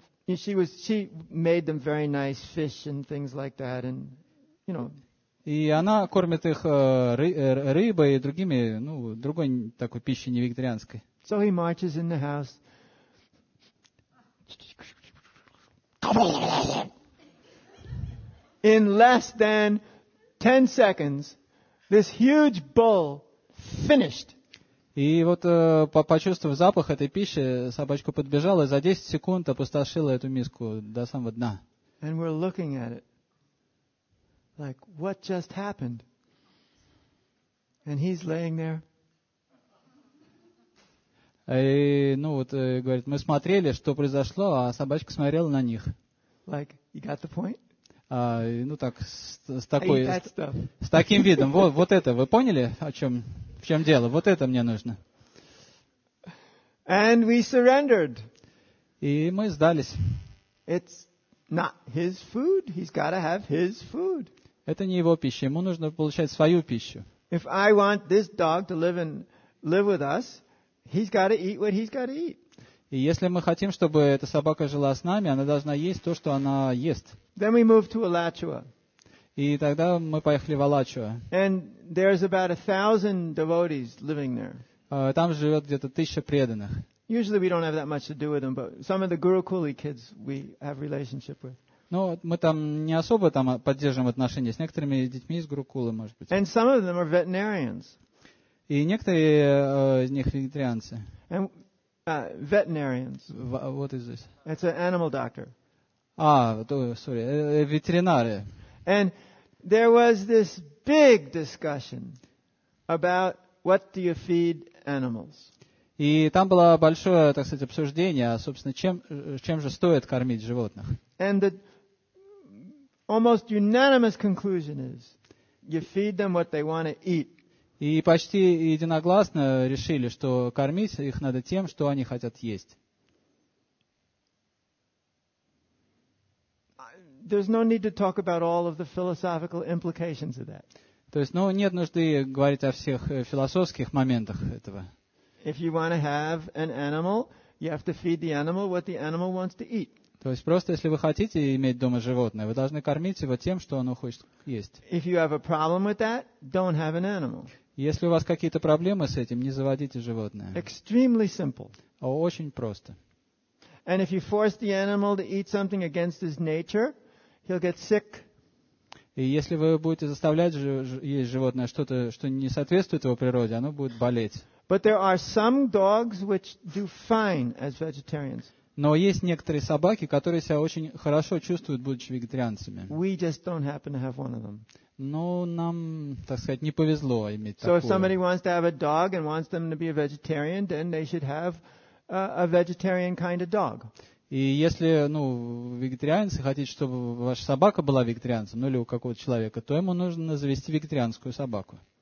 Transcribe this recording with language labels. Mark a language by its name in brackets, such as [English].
[English] She made them very nice fish and things like that, and you know. [Russian] И она кормит их рыбой и другими, ну, другой такой пищей не вегетарианской. [English] So he marches in the house. In less than 10 seconds, this huge bull finished. [Russian] И вот, почувствовав запах этой пищи, собачка подбежала и за 10 секунд опустошила эту миску до самого дна. [English] And we're looking at it like, what just happened? And he's laying there. [Russian] И, ну вот, говорит, мы смотрели, что произошло, а собачка смотрела на них. [English] Like, you got the point? [Russian] Ну так, с таким видом. Вот это, вы поняли, в чем дело? Вот это мне нужно. [English] And we surrendered. [Russian] И мы сдались. [English] It's not his food. He's got to have his food. [Russian] Это не его пища. Ему нужно получать свою пищу. [English] If I want this dog to live with us, he's got to eat what he's got to eat. [Russian] И если мы хотим, чтобы эта собака жила с нами, она должна есть то, что она ест. [English] Then we moved to Alachua. [Russian] И тогда мы поехали в Алачуа. [English] And there's about 1,000 devotees living there. [Russian] Там живет где-то 1,000 преданных. [English] Usually we don't have that much to do with them, but some of the Gurukuli kids we have relationship with. [Russian] Ну, мы там не особо там поддерживаем отношения с некоторыми детьми из Гурукулы, может быть. [English] And some of them are veterinarians. [Russian] И некоторые из них вегетарианцы. [English] Veterinarians. What is this? It's an animal doctor. Sorry, veterinary. And there was this big discussion about what do you feed animals. [Russian] И там было большое, так сказать, обсуждение, собственно, чем же стоит кормить животных. [English] And the almost unanimous conclusion is, you feed them what they want to eat. [Russian] И почти единогласно решили, что кормить их надо тем, что они хотят есть. [English] No need to talk about all of the philosophical implications of that. [Russian] То есть, ну, нет нужды говорить о всех философских моментах этого. [English] If you want to have an animal, you have to feed the animal what the animal wants to eat. [Russian] То есть просто, если вы хотите иметь дома животное, вы должны кормить его тем, что оно хочет есть. [English] If you have a problem with that, don't have an animal. [Russian] Если у вас какие-то проблемы с этим, не заводите животное. [English] Extremely simple. [Russian] Очень просто. [English] And if you force the animal to eat something against his nature, he'll get sick. [Russian] И если вы будете заставлять есть животное что-то, что не соответствует его природе, оно будет болеть. [English] But there are some dogs which do fine as vegetarians. [Russian] Но есть некоторые собаки, которые себя очень хорошо чувствуют, будучи вегетарианцами. [English] We just don't happen to have one of them. [Russian] Но нам, так сказать, не повезло иметь [English] такое. So if somebody wants to have a dog and wants them to be a vegetarian, then they should have a vegetarian kind of dog. [Russian] И если, ну, вегетарианцы хотите, чтобы ваша собака была вегетарианцем, ну или у какого-то человека, то ему нужно завести вегетарианскую собаку.